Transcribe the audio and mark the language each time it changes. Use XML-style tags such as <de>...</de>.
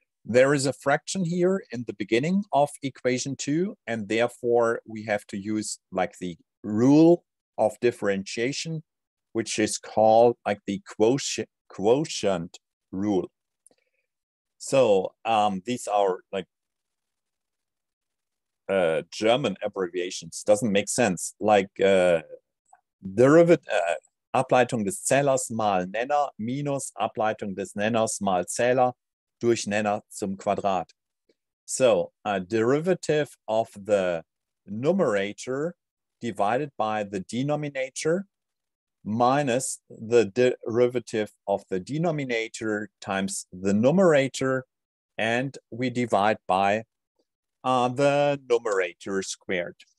<en>There is a fraction here in the beginning of equation two, and therefore we have to use like the rule of differentiation, which is called like the quotient rule. So these are like German abbreviations, doesn't make sense. Like derivative,</en> <de>Ableitung des Zählers mal Nenner minus Ableitung des Nenners mal Zähler durch Nenner zum Quadrat.</de> <en>So a derivative of the numerator divided by the denominator minus the derivative of the denominator times the numerator, and we divide by the numerator squared.</en>